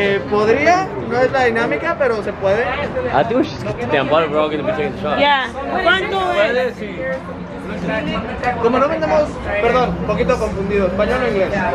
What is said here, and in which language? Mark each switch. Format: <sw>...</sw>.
<es>Podría, no es la dinámica, pero se puede.</es> <en>I think we're just gonna stand by, we're all gonna be taking the shot.</en> <es>Yeah. ¿Cuánto es? Como no vendemos, perdón, un poquito confundido, español o inglés.</es>